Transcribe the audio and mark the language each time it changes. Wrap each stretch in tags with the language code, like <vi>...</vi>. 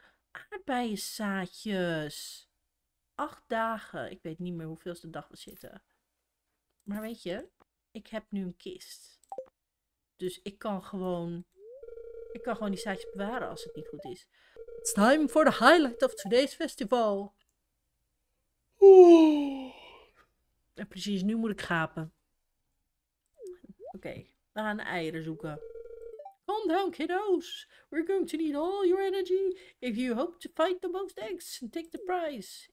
<nl>Aardbeienzaadjes. 8 dagen. Ik weet niet meer hoeveelste dag we zitten. Maar weet je, ik heb nu een kist. Dus ik kan gewoon die zaadjes bewaren als het niet goed is.</nl> <en>It's time for the highlight of today's festival.</en> <nl>Oeh. En precies, nu moet ik gapen. Oké, okay, we gaan eieren zoeken.</nl> <en>Calm down, kiddos. We're going to need all your energy if you hope to fight the most eggs and take the prize.</en>